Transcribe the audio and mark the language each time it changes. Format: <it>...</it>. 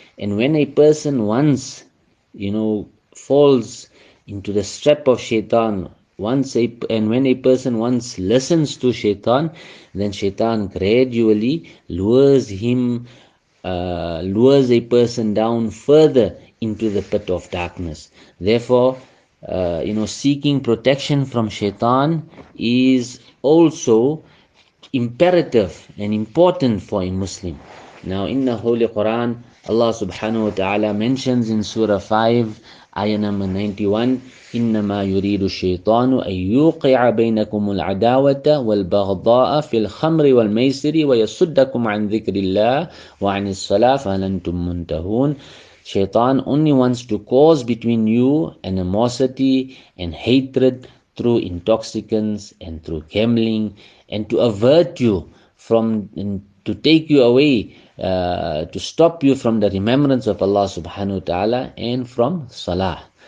<en>And when a person once, you know, falls into the trap of shaitan, when a person once listens to shaitan, then shaitan gradually lures him, lures a person down further into the pit of darkness. Therefore, you know, seeking protection from shaitan is also imperative and important for a Muslim. Now, in the Holy Quran, Allah subhanahu wa ta'ala mentions in Surah 5, Ayah number 91,</en> <ar>إِنَّمَا يُرِيدُ الشَّيْطَانُ أَن يُوقِعَ بَيْنَكُمُ الْعَدَاوَةَ وَالْبَغْضَاءَ فِي الْخَمْرِ وَالْمَيْسِرِ وَيَصُدَّكُمْ عَن ذِكْرِ اللَّهِ وَعَنِ الصَّلَاةِ فَلَنْتُمْ مُنْتَهُونَ.</ar> <en>Shaitan only wants to cause between you animosity and hatred through intoxicants and through gambling, and to avert you from, and to take you away, to stop you from the remembrance of Allah subhanahu wa ta'ala and from salah.</en>